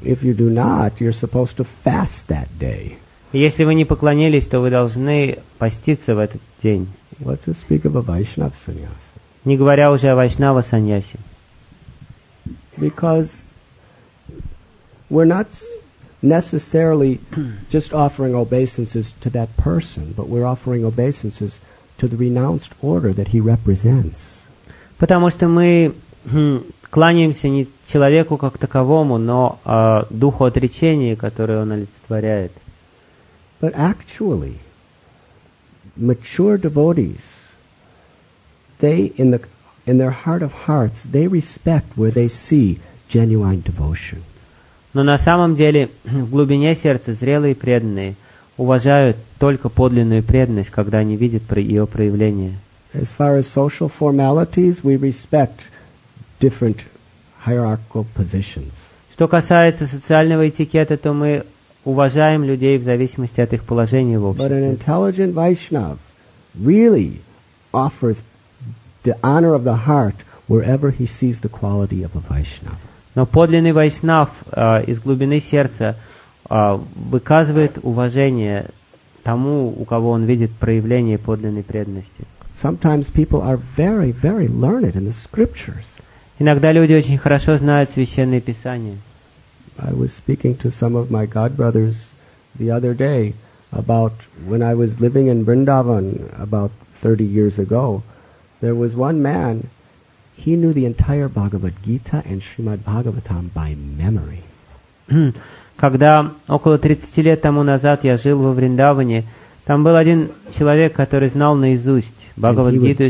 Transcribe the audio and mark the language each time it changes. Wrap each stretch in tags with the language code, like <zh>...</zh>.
<en>If you do not, you're supposed to fast that day.</en> <ru>Если вы не поклонились, то вы должны поститься в этот день.</ru> <en>What to speak of a Vaishnava sannyasi?</en> <ru>Не говоря уже о Вайшнава саньяси.</ru> <en>Because we're not necessarily just offering obeisances to that person, but we're offering obeisances to the renounced order that he represents.</en> <ru>Потому что мы кланяемся не человеку как таковому, но духу отречения, которое он олицетворяет.</ru> <en>But actually, mature devotees, they in their heart of hearts, they respect where they see genuine devotion.</en> <ru>Но на самом деле, в глубине сердца зрелые преданные уважают только подлинную преданность, когда они видят ее проявление.</ru> <en>As far as social formalities, we respect different hierarchical positions.</en> <ru>Что касается социального этикета, то мы уважаем людей в зависимости от их положения в обществе.</ru> <en>But an intelligent Vaishnav really offers the honor of the heart wherever he sees the quality of a Vaishnav.</en> <ru>Но подлинный Вайшнав из глубины сердца выказывает уважение тому, у кого он видит проявление подлинной преданности.</ru> <en>Sometimes people are very, very learned in the scriptures.</en> <ru>Иногда люди очень хорошо знают священные писания.</ru> <en>I was speaking to some of my godbrothers the other day about when I was living in Vrindavan about 30 years ago. There was one man, he knew the entire Bhagavad Gita and Srimad Bhagavatam by memory.</en> <ru>Когда около 30 лет тому назад я жил во Вриндаване, там был один человек, который знал наизусть Бхагавад-гиту и</ru>